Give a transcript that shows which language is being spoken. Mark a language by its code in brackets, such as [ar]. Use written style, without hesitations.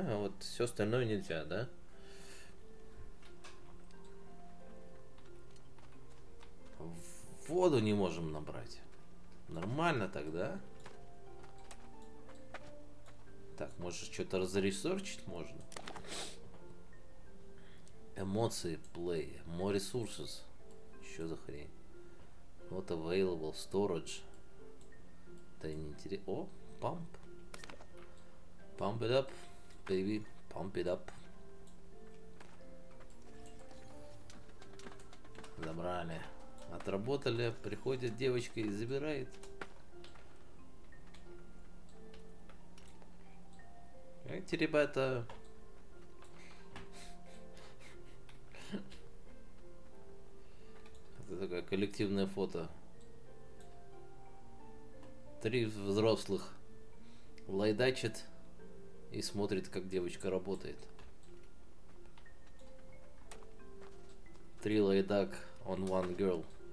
[ru] А вот все остальное нельзя, да? Воду не можем набрать. Нормально тогда. Так, может что-то разресерчить можно? Эмоции, [en] play, more resources. [ru] Что за хрень? Вот [en] available storage. [ru] Да не интересно. [en] О, pump. Pump it up, baby. Pump it up. [ru] Забрали. Отработали. Приходит девочка и забирает. Эти ребята. Это такое коллективное фото. Три взрослых лайдачит и смотрит, как девочка работает. Три лайдак [en] on one girl.